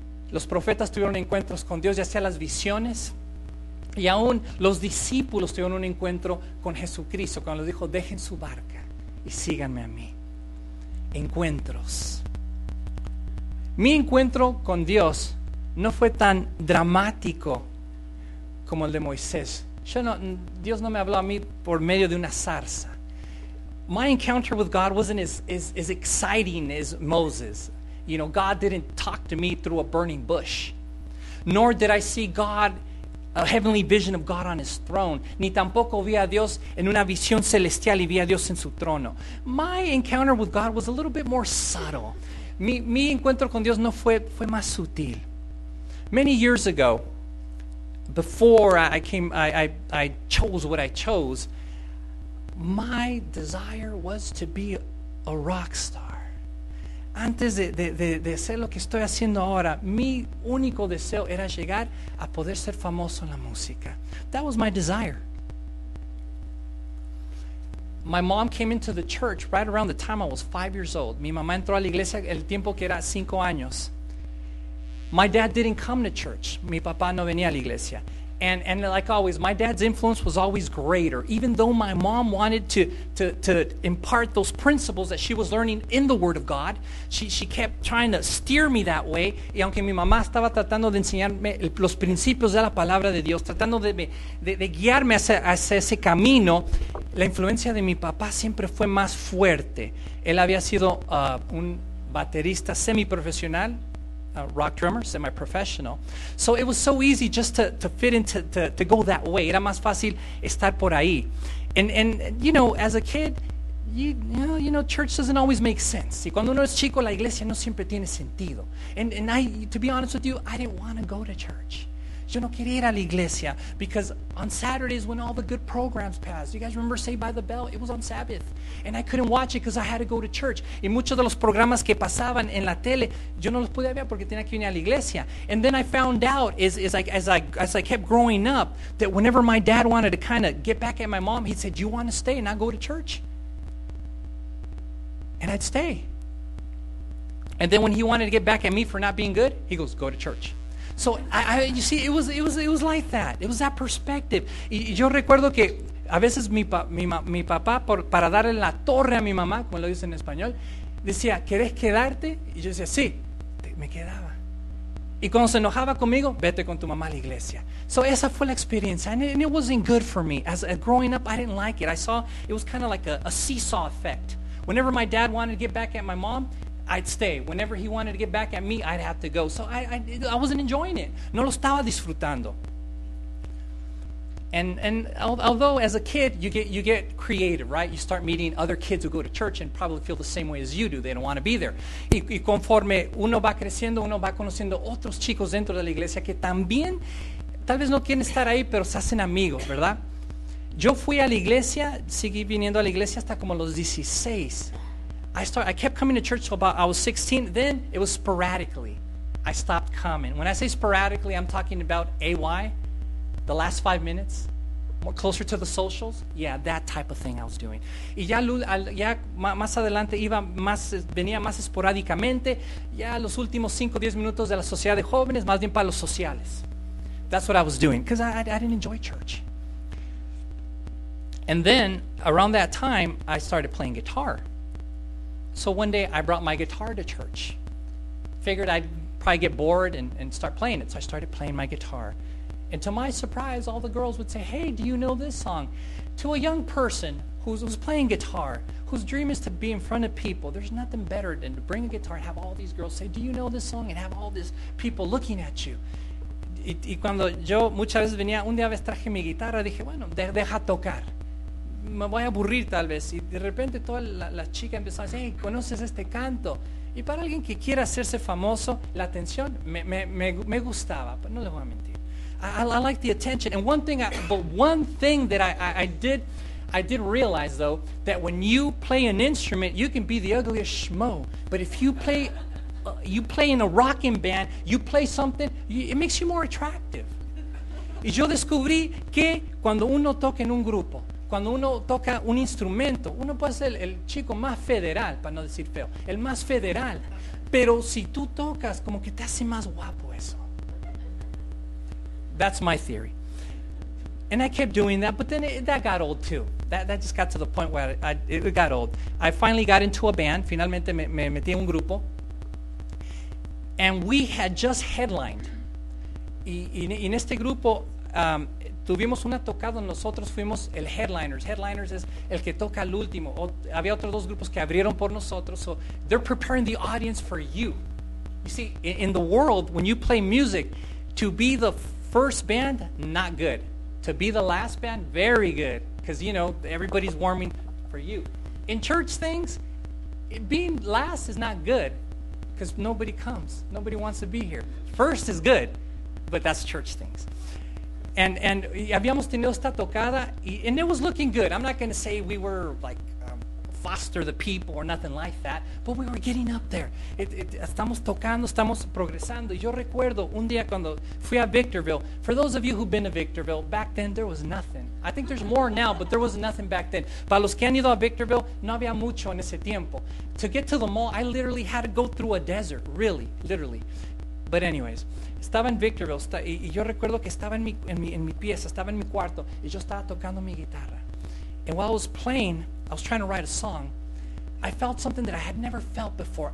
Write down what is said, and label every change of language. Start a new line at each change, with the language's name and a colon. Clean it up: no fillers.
Spanish: Los profetas tuvieron encuentros con Dios, ya sea las visiones. Y aún los discípulos tuvieron un encuentro con Jesucristo cuando les dijo, dejen su barca y síganme a mí. Encuentros. Mi encuentro con Dios no fue tan dramático como el de Moisés. Yo no, Dios no me habló a mí por medio de una zarza.
English: My encounter with God wasn't as exciting as Moses. You know, God didn't talk to me through a burning bush. Nor did I see God, a heavenly vision of God on his throne.
Spanish: Ni tampoco vi a Dios en una visión celestial y vi a Dios en su trono.
English: My encounter with God was a little bit more subtle.
Spanish: Mi encuentro con Dios no fue más sutil.
English: Many years ago, before I came, I chose what I chose, my desire was to be a rock star.
Spanish: Antes de hacer lo que estoy haciendo ahora, mi único deseo era llegar a poder ser famoso en la música.
English: That was my desire. My mom came into the church right around the time I was 5 years old.
Spanish: Mi mamá entró a la iglesia el tiempo que era 5 años.
English: My dad didn't come to church.
Spanish: Mi papá no venía a la iglesia.
English: And like always, my dad's influence was always greater. Even though my mom wanted to impart those principles that she was learning in the Word of God, she kept trying to steer me that way.
Spanish: Y aunque mi mamá estaba tratando de enseñarme los principios de la Palabra de Dios, tratando de guiarme hacia ese camino, la influencia de mi papá siempre fue más fuerte. Él había sido un baterista semiprofesional,
English: a rock drummer, semi-professional. So it was so easy just to fit into to go that way.
Spanish: Era más fácil estar por ahí.
English: And you know, as a kid, you know, church doesn't always make sense.
Spanish: Y cuando uno es chico, la iglesia no siempre tiene sentido.
English: And I, to be honest with you, I didn't want to go to church.
Spanish: Yo no quería ir a la iglesia
English: because on Saturdays when all the good programs passed, you guys remember Saved by the Bell? It was on Sabbath. And I couldn't watch it because I had to go to church.
Spanish: Y muchos de los programas que pasaban en la tele, yo no los podía ver porque tenía que venir a la iglesia.
English: And then I found out as I kept growing up that whenever my dad wanted to kind of get back at my mom, he'd say, do you want to stay and not go to church? And I'd stay. And then when he wanted to get back at me for not being good, he goes, go to church. So I, you see, it was like that. It was that perspective.
Spanish: Y yo recuerdo que a veces mi papá para darle la torre a mi mamá, como lo dicen en español, decía, ¿querés quedarte? Y yo decía, sí, me quedaba. Y cuando se enojaba conmigo, vete con tu mamá a la iglesia.
English: So
Spanish: esa fue la experiencia,
English: and it wasn't good for me. As growing up, I didn't like it. I saw it was kind of like a seesaw effect. Whenever my dad wanted to get back at my mom, I'd stay. Whenever he wanted to get back at me, I'd have to go. So I wasn't enjoying it.
Spanish: No lo estaba disfrutando.
English: And although as a kid, you get creative, right? You start meeting other kids who go to church and probably feel the same way as you do. They don't want to be there.
Spanish: Y conforme uno va creciendo, uno va conociendo otros chicos dentro de la iglesia que también, tal vez no quieren estar ahí, pero se hacen amigos, ¿verdad? Yo fui a la iglesia, seguí viniendo a la iglesia hasta como los 16.
English: I kept coming to church till about I was 16. Then it was sporadically. I stopped coming. When I say sporadically, I'm talking about AY, the last 5 minutes, more closer to the socials. Yeah, that type of thing I was doing.
Spanish: Y ya más adelante iba más, venía más esporádicamente. Ya los últimos 5-10 minutos de la sociedad de jóvenes, más bien para los sociales.
English: That's what I was doing because I didn't enjoy church. And then around that time, I started playing guitar. So one day I brought my guitar to church. Figured I'd probably get bored and start playing it. So I started playing my guitar. And to my surprise, all the girls would say, "Hey, do you know this song?" To a young person who's playing guitar, whose dream is to be in front of people, there's nothing better than to bring a guitar and have all these girls say, "Do you know this song?" and have all these people looking at you.
Spanish: Y cuando yo muchas veces venía, un día traje mi guitarra, dije, bueno, deja tocar. Me voy a aburrir tal vez. Y de repente toda la chica empezó a decir, "Hey, ¿conoces este canto?" Y para alguien que quiera hacerse famoso, la atención me gustaba, pero no le voy a mentir.
English: I like the attention. And one thing that I did realize, though, that when you play an instrument, you can be the ugliest schmo. But if you play in a rocking band, you play something, it makes you more attractive.
Spanish: Y yo descubrí que cuando uno toca en un grupo, cuando uno toca un instrumento, uno puede ser el chico más federal, para no decir feo, el más federal. Pero si tú tocas, como que te hace más guapo eso.
English: That's my theory. And I kept doing that, but then that got old too. That just got to the point where it got old. I finally got into a band.
Spanish: Finalmente me metí en un grupo.
English: And we had just headlined.
Spanish: Y en este grupo tuvimos una tocada. Nosotros fuimos el headliners. Headliners es el que toca al último. Había otros dos grupos que abrieron por nosotros.
English: So they're preparing the audience for you. You see, in the world, when you play music, to be the first band, not good. To be the last band, very good. Because, you know, everybody's warming for you. In church things, being last is not good. Because nobody comes. Nobody wants to be here. First is good, but that's church things. And
Spanish: habíamos tenido esta tocada,
English: and it was looking good. I'm not going to say we were like foster the people or nothing like that, but we were getting up there.
Spanish: Estamos tocando, estamos progresando. Yo recuerdo un día cuando fui a Victorville.
English: For those of you who've been to Victorville, back then there was nothing. I think there's more now, but there was nothing back then.
Spanish: Para los que han ido a Victorville, no había mucho en ese tiempo.
English: To get to the mall, I literally had to go through a desert, really, literally. But anyways,
Spanish: estaba en Victorville, y yo recuerdo que estaba en mi pieza, estaba en mi cuarto, y yo estaba tocando mi guitarra.
English: And while I was playing, I was trying to write a song, I felt something that I had never felt before.